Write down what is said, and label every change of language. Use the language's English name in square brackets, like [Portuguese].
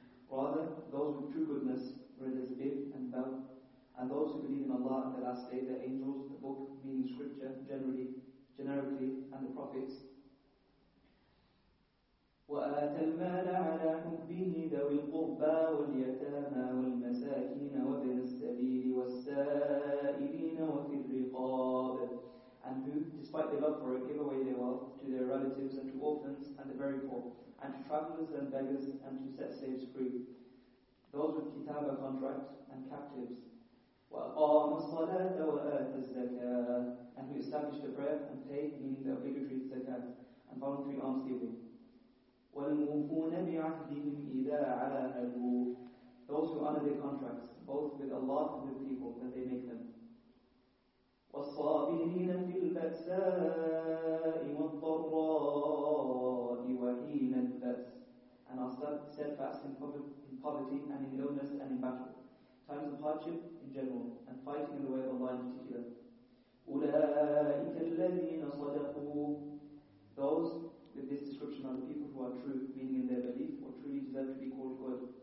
[English] Rather, those with true goodness, brothers bid and bow, and those who believe in Allah at the last day, the angels, the book, meaning scripture, generically, and the prophets. [Arabic] وآت المال على حبه ذوي القربى واليتامى والمساكين وابن السبيل والسائلين وفي الرقاب. [English] And who, despite their love for it, give away their wealth to their relatives and to orphans and the very poor, and to travelers and beggars and to set slaves free. Those with kitab are contract and captives. [Arabic] وآم الصلاة وآت الزكاة. [English] And who established the prayer and paid, meaning the obligatory zakat and voluntary almsgiving. [Arabic] والموفون بعهدهم إذا عاهدوا. [English] Those who honor their contracts, both with Allah and with people, that they make them. [Arabic] والصابرين في البأساء والضراء وحين البأس. [English] And are steadfast in poverty and in illness and in battle, times of hardship in general, and fighting in the way of Allah in particular. [Arabic] أولئك الذين صدقوا. [English] Those with this description are the people who are true, meaning in their belief, or truly deserve to be called good.